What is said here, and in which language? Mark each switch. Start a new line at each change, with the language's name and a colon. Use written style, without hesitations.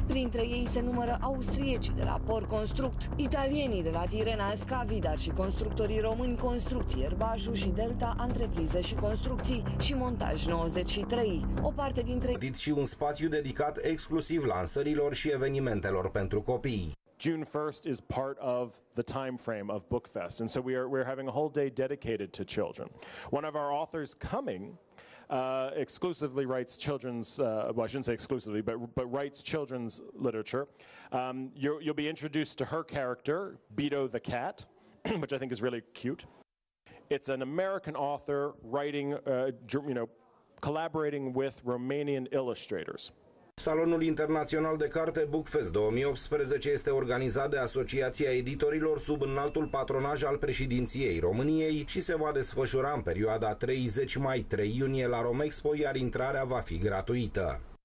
Romanian: Printre ei se numără austriecii de la Porco Construct, italienii de la Tirena Scavi, dar și constructorii români Construcții Erbașu și Delta Antreprize și Construcții și Montaj 93. O parte dintre ei și un spațiu dedicat exclusiv lansărilor și evenimentelor pentru copii.
English: June 1st is part of the time frame of Bookfest, and so we're having a whole day dedicated to children. One of our authors coming exclusively writes children's, well, I shouldn't say exclusively, but writes children's literature. You'll be introduced to her character, Beto the Cat, which I think is really cute. It's an American author writing, collaborating with Romanian illustrators.
Romanian: Salonul Internațional de Carte Bookfest 2018 este organizat de Asociația Editorilor sub înaltul patronaj al președinției României și se va desfășura în perioada 30 mai 3 iunie la Romexpo, iar intrarea va fi gratuită.